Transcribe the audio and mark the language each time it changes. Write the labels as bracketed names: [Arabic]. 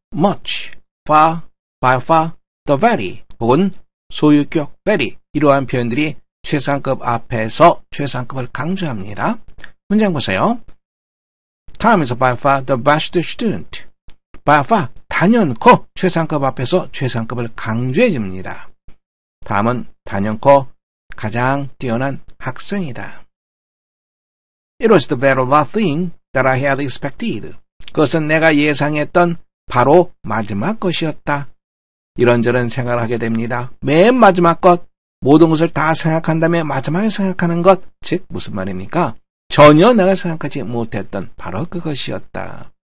[Korean] much, far, by far, the very 혹은 소유격 very 이러한 표현들이 최상급 앞에서 최상급을 강조합니다. 문장 보세요. [English] Tom is by far the best student. by far [Korean] 단연코 최상급 앞에서 최상급을 강조해 줍니다. 다음은 단연코 가장 뛰어난 학생이다. [English] It was the very last thing that I had expected. [Korean] 그것은 내가 예상했던 바로 마지막 것이었다. 이런저런 생각을 하게 됩니다. 맨 마지막 것, 모든 것을 다 생각한 다음에 마지막에 생각하는 것, 즉 무슨 말입니까? 전혀 내가 생각하지 못했던 바로 그것이었다.